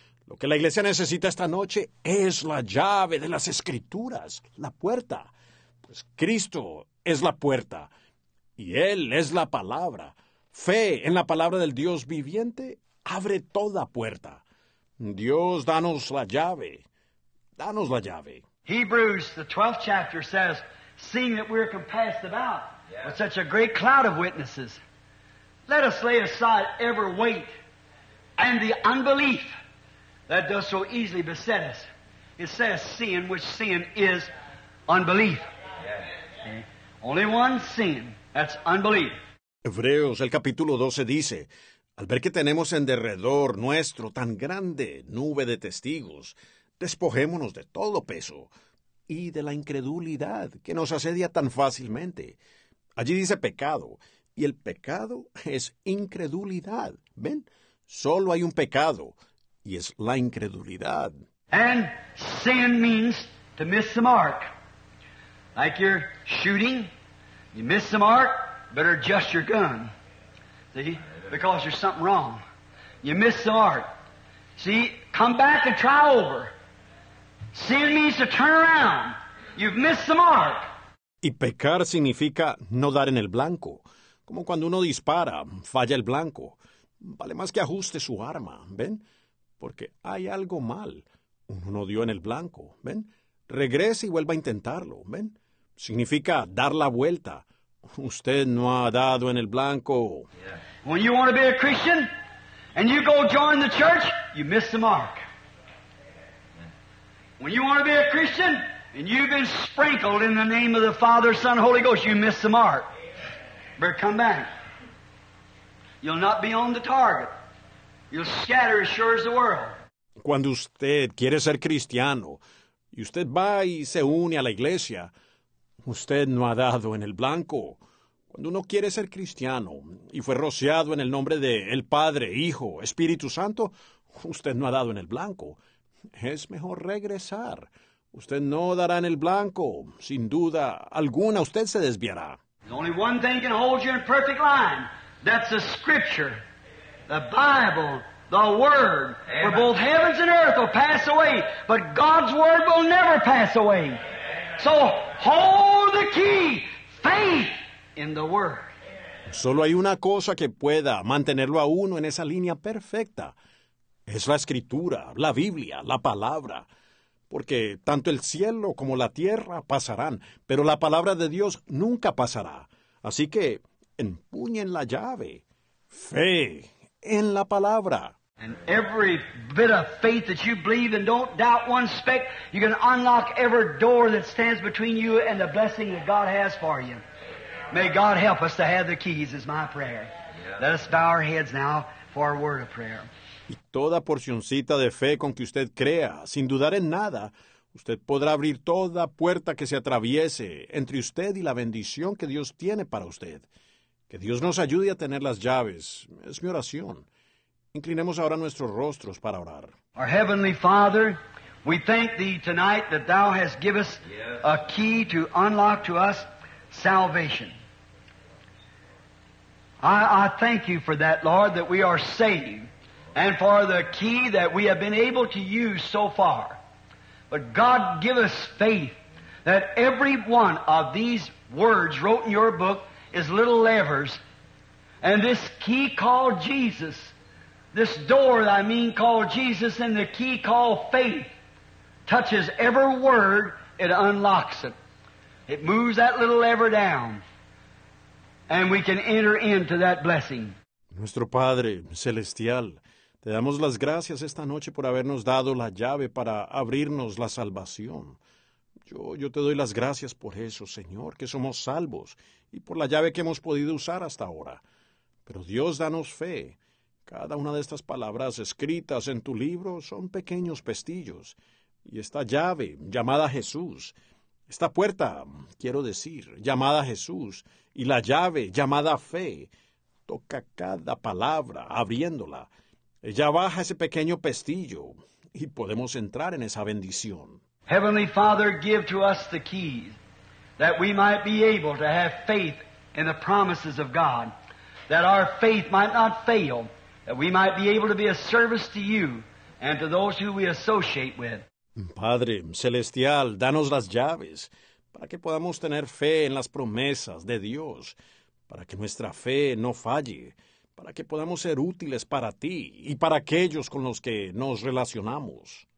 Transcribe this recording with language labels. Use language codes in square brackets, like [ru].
[es] Lo que la iglesia necesita esta noche es la llave de las Escrituras, la puerta. Pues Cristo es la puerta y Él es la palabra. Fe en la palabra del Dios viviente abre toda puerta. Dios, danos la llave. Danos la llave. [en] Hebrews, the 12th chapter, says, "Seeing that we are compassed about with such a great cloud of witnesses, let us lay aside every weight and the unbelief that does so easily beset us." It says sin, which sin is unbelief. Yeah. Only one sin, that's unbelief. [es] Hebreos, el capítulo 12, dice, "Al ver que tenemos en derredor nuestro tan grande nube de testigos, despojémonos de todo peso y de la incredulidad que nos asedia tan fácilmente." Allí dice pecado, y el pecado es incredulidad. ¿Ven? Solo hay un pecado, y es la incredulidad. [en] And sin means to miss the mark. Like you're shooting, you miss the mark, better adjust your gun. See? Because there's something wrong. You miss the mark. See? Come back and try over. Sin means to turn around. You've missed the mark. [es] Y pecar significa no dar en el blanco. Como cuando uno dispara, falla el blanco. Vale más que ajuste su arma, ¿ven? Porque hay algo mal. Uno no dio en el blanco, ¿ven? Regrese y vuelva a intentarlo, ¿ven? Significa dar la vuelta. Usted no ha dado en el blanco. [en] Yeah. When you want to be a Christian and you go join the church, you miss the mark. When you want to be a Christian and you've been sprinkled in the name of the Father, Son, Holy Ghost, you miss the mark. Better come back. You'll not be on the target. You'll scatter as sure as the world. [es] Cuando usted quiere ser cristiano y usted va y se une a la iglesia, usted no ha dado en el blanco. Cuando uno quiere ser cristiano y fue rociado en el nombre de el Padre, Hijo, Espíritu Santo, usted no ha dado en el blanco. Es mejor regresar. Usted no dará en el blanco. Sin duda alguna, usted se desviará. [en] There's only one thing can hold you in perfect line. That's the Scripture, the Bible, the Word. Amen. For both heavens and earth will pass away, but God's Word will never pass away. So hold the key, faith in the Word. [es] Solo hay una cosa que pueda mantenerlo a uno en esa línea perfecta. Es la Escritura, la Biblia, la Palabra. Porque tanto el cielo como la tierra pasarán, pero la Palabra de Dios nunca pasará. Así que empuñen la llave. Fe en la Palabra. [en] And every bit of faith that you believe and don't doubt one speck, you can unlock every door that stands between you and the blessing that God has for you. May God help us to have the keys, is my prayer. Let us bow our heads now for a word of prayer. [es] Y toda porcioncita de fe con que usted crea, sin dudar en nada, usted podrá abrir toda puerta que se atraviese entre usted y la bendición que Dios tiene para usted. Que Dios nos ayude a tener las llaves. Es mi oración. Inclinemos ahora nuestros rostros para orar. [en] Our Heavenly Father, we thank Thee tonight that Thou hast given us a key to unlock to us salvation. I thank You for that, Lord, that we are saved, and for the key that we have been able to use so far. But God, give us faith that every one of these words wrote in Your book is little levers, and this key called Jesus, this door, I mean, called Jesus, and the key called faith touches every word, it unlocks it. It moves that little lever down, and we can enter into that blessing. [es] Nuestro Padre Celestial, te damos las gracias esta noche por habernos dado la llave para abrirnos la salvación. Yo te doy las gracias por eso, Señor, que somos salvos y por la llave que hemos podido usar hasta ahora. Pero Dios, danos fe. Cada una de estas palabras escritas en tu libro son pequeños pestillos. Y esta llave, llamada Jesús, esta puerta, quiero decir, llamada Jesús, y la llave, llamada fe, toca cada palabra abriéndola. Ella baja ese pequeño pestillo y podemos entrar en esa bendición. [en] Heavenly Father, give to us the key that we might be able to have faith in the promises of God, that our faith might not fail, that we might be able to be a service to You and to those who we associate with. [es] Padre Celestial, danos las llaves para que podamos tener fe en las promesas de Dios, para que nuestra fe no falle, para que podamos ser útiles para Ti y para aquellos con los que nos relacionamos.